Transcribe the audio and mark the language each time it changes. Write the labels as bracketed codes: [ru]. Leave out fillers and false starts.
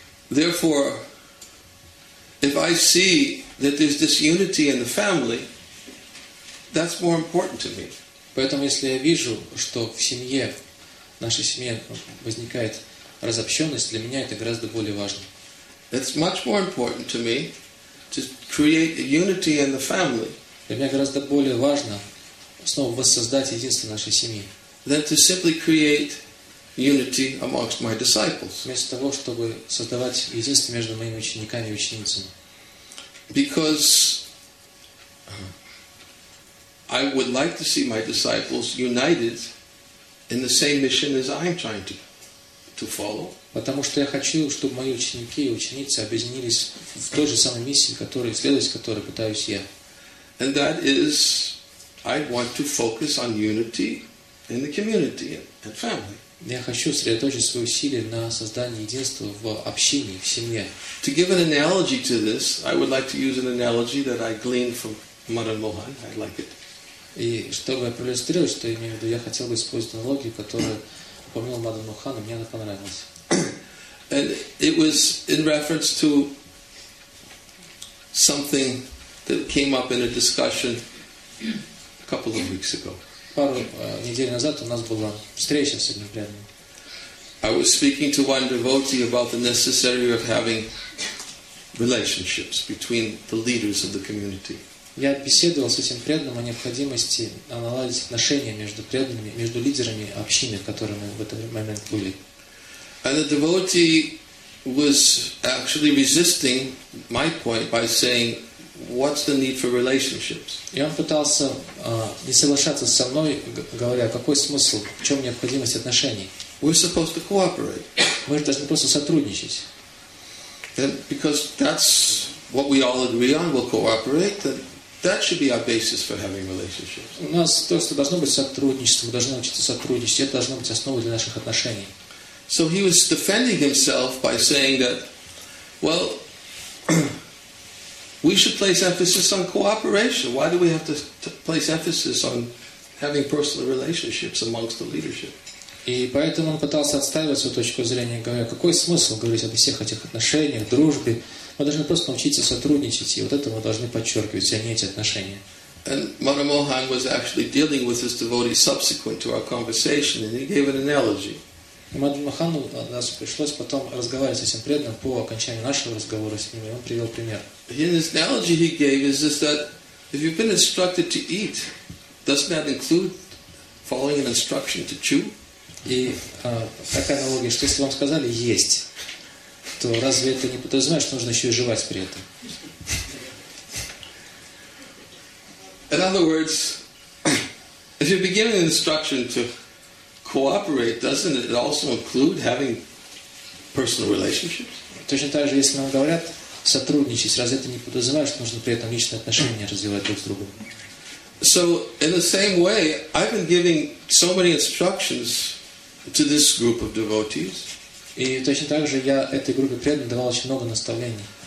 [en] therefore, if I see that there's disunity in the family, that's more important to me. [ru] Поэтому, если я вижу, что в семье, в нашей семье возникает разобщенность, для меня это гораздо более важно. [en] It's much more important to me to create unity in the family. [ru] Для меня гораздо более важно снова воссоздать единство нашей семьи. [en] Than to simply create unity amongst my disciples. [ru] Вместо того, чтобы создавать единство между моими учениками и ученицами. [en] Because I would like to see my disciples united in the same mission as I'm trying to follow. [ru] Потому что я хочу, чтобы мои ученики и ученицы объединились в той же самой миссии, которой следовать, которой пытаюсь я. [en] And that is, I want to focus on unity in the community and family. [ru] Я хочу сосредоточить свои усилия на создании единства в общине, в семье. [en] To give an analogy to this, I would like to use an analogy that I gleaned from Madan Mohan. I like it. [ru] И чтобы проиллюстрировать, что я имею в виду, я хотел бы использовать аналогию, которую упомянул Мадан Мохан, и мне она понравилась. [en] And it was in reference to something that came up in a discussion a couple of weeks ago. [ru] Пару недель назад у нас была встреча с одним преданным. [en] I was speaking to one devotee about the necessity of having relationships between the leaders of the community. [ru] Я беседовал с этим преданным о необходимости наладить отношения между преданными, между лидерами общины, которыми в этот момент были. [en] And the devotee was actually resisting my point by saying, "What's the need for relationships?" [ru] И он пытался не соглашаться со мной, говоря, какой смысл, в чем необходимость отношений. [en] We're supposed to cooperate. [ru] Мы же должны просто сотрудничать. [en] And because that's what we all agree on, we'll cooperate. That should be our basis for having relationships. [ru] У нас то, что должно быть сотрудничество, мы должны учиться сотрудничать, это должно быть основой для наших отношений. [en] So he was defending himself by saying that, well, we should place emphasis on cooperation. Why do we have to place emphasis on having personal relationships amongst the leadership? [ru] И поэтому он пытался отстаивать свою точку зрения, говоря, какой смысл говорить обо всех этих отношениях, дружбе? Мы должны просто научиться сотрудничать, и вот это мы должны подчеркивать, а не эти отношения. [en] And Madan Mohan was actually dealing with this devotee subsequent to our conversation, and he gave an analogy. [ru] Madan Mohan, нас пришлось потом разговаривать с этим преданным по окончанию нашего разговора с ним, и он привел пример. [en] In his analogy he gave is just that if you've been instructed to eat, doesn't that include following an instruction to chew? [ru] И такая аналогия, что если вам сказали есть, то разве это не подразумевает, что нужно еще и жевать при этом? [en] In other words, if you're giving an instruction to cooperate, doesn't it also include having personal relationships? [ru] Точно так же, если нам говорят сотрудничать, разве это не подразумевает, что нужно при этом личные отношения развивать друг с другом? [en] So, in the same way, I've been giving so many instructions to this group of devotees. [ru] И точно так же я этой группе преданных давал очень много наставлений.